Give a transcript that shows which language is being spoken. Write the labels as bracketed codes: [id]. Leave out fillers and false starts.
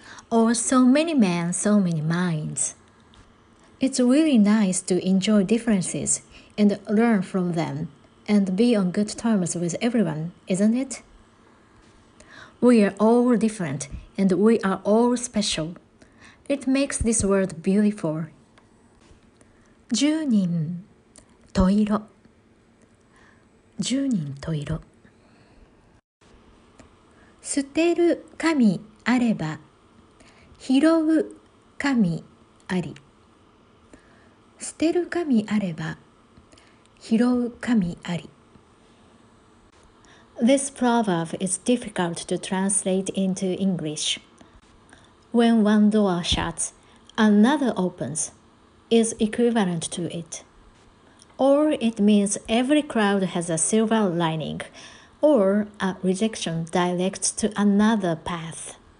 [en] Or so many men, so many minds. It's really nice to enjoy differences and learn from them and be on good terms with everyone, isn't it? We are all different and we are all special. It makes this world beautiful. [ja] 十人十色十人十色捨てる神あれば拾う神あり捨てる神あれば拾う神あり [en] This proverb is difficult to translate into English. When one door shuts, another opens is equivalent to itOr it means every cloud has a silver lining, or a rejection directs to another path.